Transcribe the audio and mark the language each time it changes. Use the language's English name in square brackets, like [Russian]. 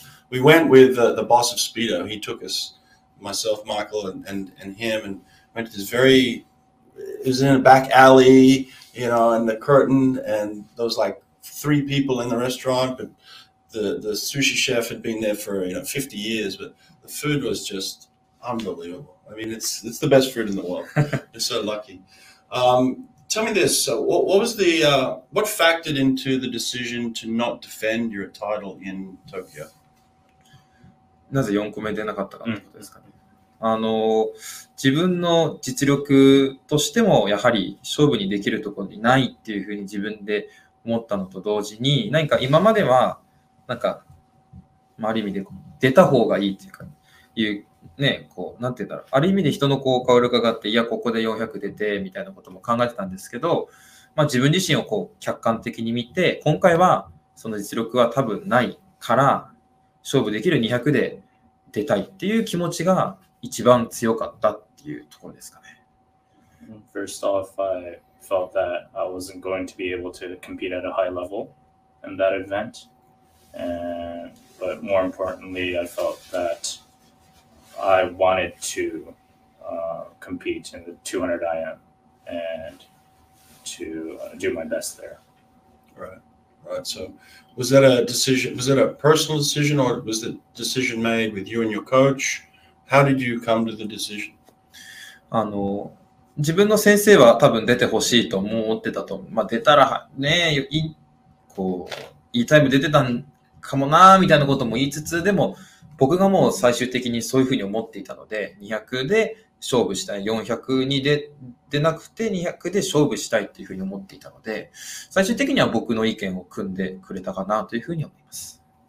[English] we went with the boss of Speedo. He took us, myself, Michael, and him, and went to this very, it was in a back alley, you know, and the curtain, and there was like three people in the restaurant, but the sushi chef had been there for, you know, 50 years, but the food was just unbelievable. I mean, it's the best food in the world. You're so lucky. Tell me this, so what was the, what factored into the decision to not defend your title in Tokyo? [Japanese] なぜ4個目出なかったかってことですかね。自分の実力としてもやはり勝負にできるところにないっていうふうに自分で思ったのと同時に、何か今まではなんか、まあ、ある意味でこう出た方がいいっていうか、ね、いうね、こうなんて言うんだろう、ある意味で人のこう顔色がかって、いやここで400出てみたいなことも考えてたんですけど、まあ、自分自身をこう客観的に見て、今回はその実力は多分ないから勝負できる200で出たいっていう気持ちが一番強かったっていうところですかね。 [English] First off, I felt that I wasn't going to be able to compete at a high level in that event. But more importantly, I felt that I wanted to compete in the 200 IM and to do my best there. Right. So was that a decision, was that a personal decision, or was the decision made with you and your coach? How did you come to the decision? [Japanese] 自分の先生は多分出てほしいと思ってたと思う。まあ出たらね、こう、いいタイム出てたんかもなみたいなことも言いつつ、でも僕がもう最終的にそういうふうに思っていたので、200で勝負したい、400に出なくて200で勝負したいっていうふうに思っていたので、最終的には僕の意見を組んでくれたかなというふうに思います。